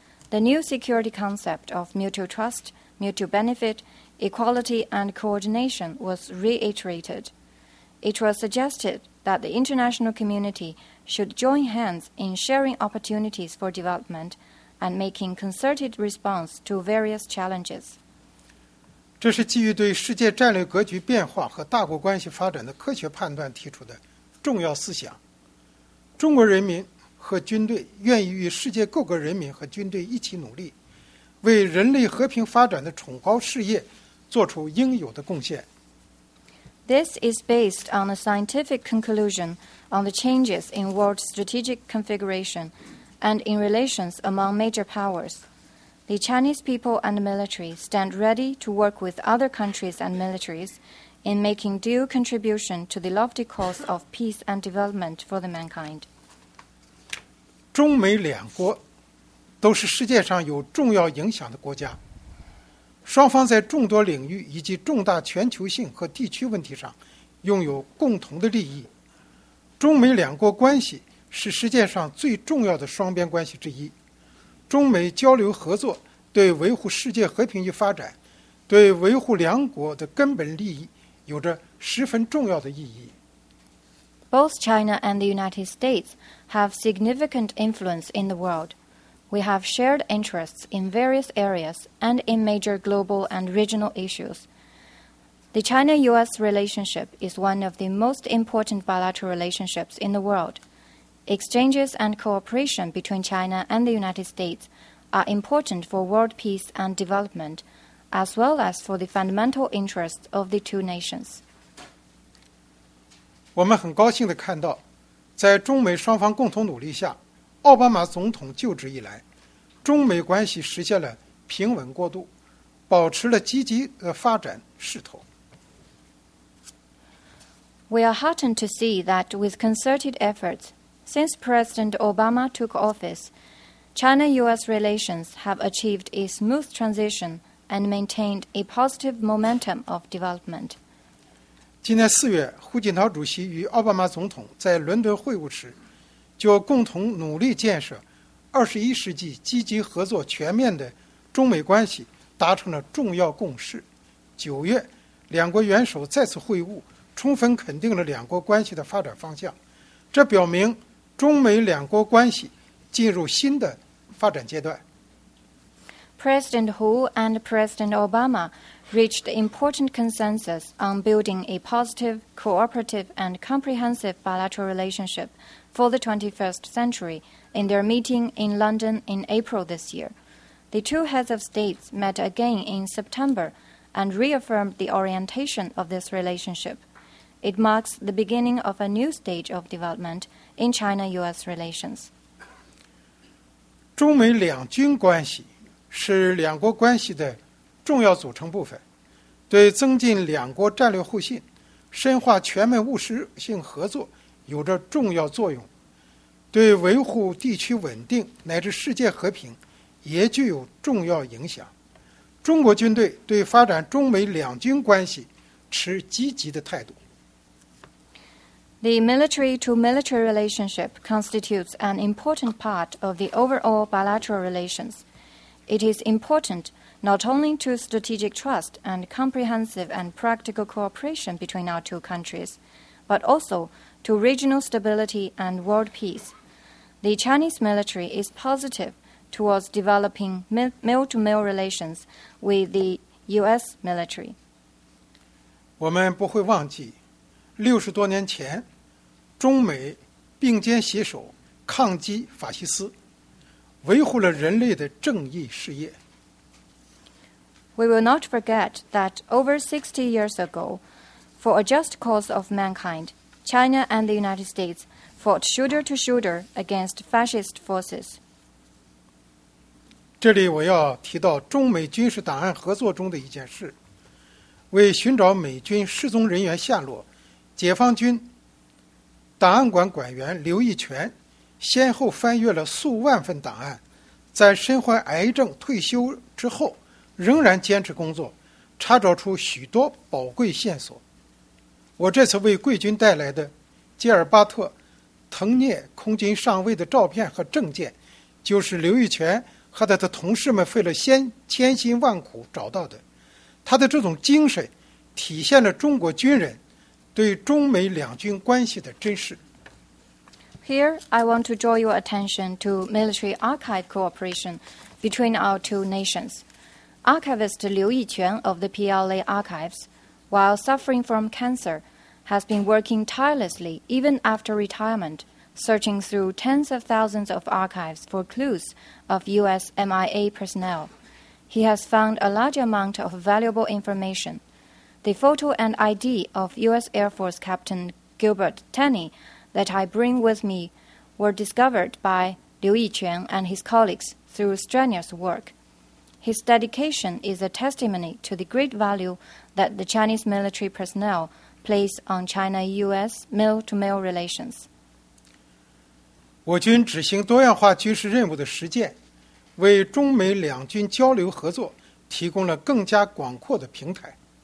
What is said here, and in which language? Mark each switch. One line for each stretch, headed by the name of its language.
English: The new security concept of mutual trust, mutual benefit, equality, and coordination was reiterated. It was suggested that the international community should join hands in sharing opportunities for development and making concerted response to various challenges.
Chinese: 这是基于对世界战略格局变化和大国关系发展的科学判断提出的重要思想。中国人民和军队愿意与世界各国人民和军队一起努力，为人类和平发展的崇高事业做出应有的贡献。
English: This is based on a scientific conclusion on the changes in world strategic configuration and in relations among major powers. The Chinese people and military stand ready to work with other countries and militaries in making due contribution to the lofty cause of peace and development for the mankind.
Chinese: 中美两国都是世界上有重要影响的国家。双方在众多领域以及重大全球性和地区问题上拥有共同的利益。中美两国关系是世界上最重要的双边关系之一。中美交流合作对维护世界和平与发展，对维护两国的根本利益有着十分重要的意义。
English: Both China and the United States have significant influence in the world. We have shared interests in various areas and in major global and regional issues. The China-U.S. relationship is one of the most important bilateral relationships in the world. Exchanges and cooperation between China and the United States are important for world peace and development, as well as for the fundamental interests of the two nations.
Chinese: 我们很高兴地看到，在中美双方共同努力下，奥巴马总统就职以来，中美关系实现了平稳过渡，保持了积极的发展势头。
English: We are heartened to see that with concerted efforts, since President Obama took office, China-U.S. relations have achieved a smooth transition and maintained a positive momentum of development.
Chinese: 今年四月，胡锦涛主席与奥巴马总统在伦敦会晤时，就共同努力建设二十一世纪积极合作全面的中美关系达成了重要共识。九月，两国元首再次会晤，充分肯定了两国关系的发展方向，这表明中美两国关系进入新的发展阶段。
English: President Hu and President Obama reached important consensus on building a positive, cooperative, and comprehensive bilateral relationship for the 21st century in their meeting in London in April this year. The two heads of states met again in September and reaffirmed the orientation of this relationship. It marks the beginning of a new stage of development in China-U.S. relations.
Chinese: 中美两军关系是两国关系的重要组成部分，对增进两国战略互信、深化全面务实性合作有着重要作用，对维护地区稳定乃至世界和平也具有重要影响。中国军队对发展中美两军关系持积极的态度。
English: The military-to-military relationship constitutes an important part of the overall bilateral relations. It is important not only to strategic trust and comprehensive and practical cooperation between our two countries, but also to regional stability and world peace. The Chinese military is positive towards developing male-to-male relations with the U.S. military.
Chinese: 我们不会忘记，六十多年前，中美并肩携手抗击法西斯，维护了人类的正义事业。
English: We will not forget that over 60 years ago, for a just cause of mankind, China and the United States fought shoulder to shoulder against fascist forces.
Chinese: 这里我要提到中美军事档案合作中的一件事，为寻找美军失踪人员下落，解放军档案馆馆员刘义全先后翻阅了数万份档案，在身患癌症退休之后仍然坚持工作，查找出许多宝贵线索。我这次为贵军带来的吉尔巴特·滕涅空军上尉的照片和证件，就是刘义全和他的同事们费了千辛万苦找到的。他的这种精神体现了中国军人对中美两军关系的珍视。
English: Here, I want to draw your attention to military archive cooperation between our two nations. Archivist Liu Yiquan of the PLA Archives, while suffering from cancer, has been working tirelessly even after retirement searching through tens of thousands of archives for clues of U.S. MIA personnel. He has found a large amount of valuable information. The photo and ID of U.S. Air Force Captain Gilbert Tenney that I bring with me were discovered by Liu Yiquan and his colleagues through strenuous work. His dedication is a testimony to the great value that the Chinese military personnel place on China-U.S. mail-to-mail relations.
Chinese: 我军执行多样化军事任务的实践, 为中美两军交流合作提供了更加广阔的平台。